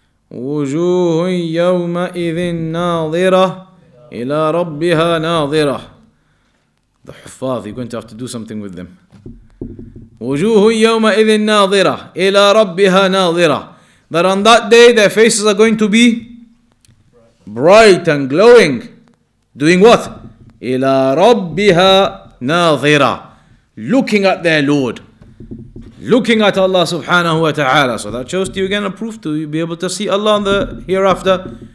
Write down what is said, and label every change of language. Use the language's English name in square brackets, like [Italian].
[Arabic] وجوه يومئذ ناظرة إلى ربها ناظرة. [English] The حفاظ, you're going to have to do something with them. [Arabic] وجوه يومئذ ناظرة إلى ربها ناظرة. [English] That on that day their faces are going to be bright and glowing. Doing what? [Arabic] إلى ربها ناظرة. [English] Looking at their Lord. Looking at Allah subhanahu wa ta'ala. So that shows to you again a proof to be able to see Allah in the hereafter.